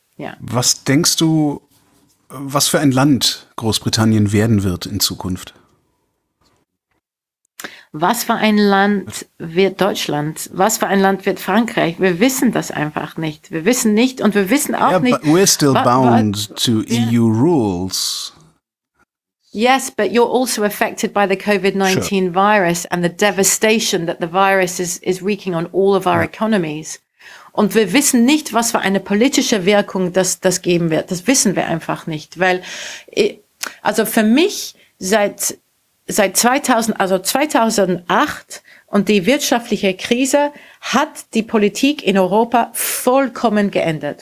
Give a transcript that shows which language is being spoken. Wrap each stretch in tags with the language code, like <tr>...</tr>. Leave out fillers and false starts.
<de>Ja. Was denkst du, was für ein Land Großbritannien werden wird in Zukunft? Was für ein Land wird Deutschland? Was für ein Land wird Frankreich? Wir wissen das einfach nicht. Wir wissen nicht und wir wissen auch nicht.</de> <en>But we're still bound to EU rules. Yes, but you're also affected by the COVID-19 sure. virus and the devastation that the virus is wreaking on all of our economies.</en> <de>Und wir wissen nicht, was für eine politische Wirkung das geben wird. Das wissen wir einfach nicht. Weil, also für mich seit 2008 und die wirtschaftliche Krise hat die Politik in Europa vollkommen geändert.</de>